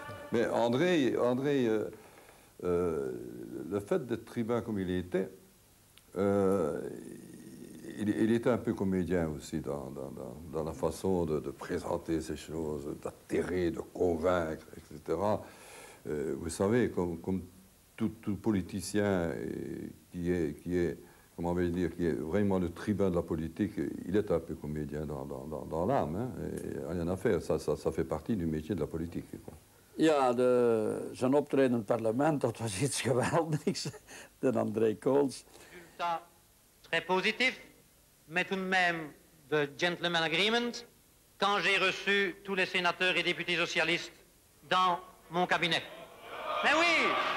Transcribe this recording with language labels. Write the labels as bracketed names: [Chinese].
[French] Mais André, le fait d'être tribun comme il était, il était un peu comédien aussi dans la façon de présenter ces choses, d'attirer, de convaincre, etc. Vous savez, comme Tout politicien qui est vraiment le tribun de la politique, il est un peu comédien dans l'âme. Hein, rien à faire, ça fait partie du métier de la politique. [Dutch] Ja, zijn optreden in het parlement, dat was iets geweldigs, de André Kolz. [French] Résultat très positif, mais tout de même de gentleman agreement. Quand j'ai reçu tous les sénateurs et députés socialistes dans mon cabinet. Mais oui!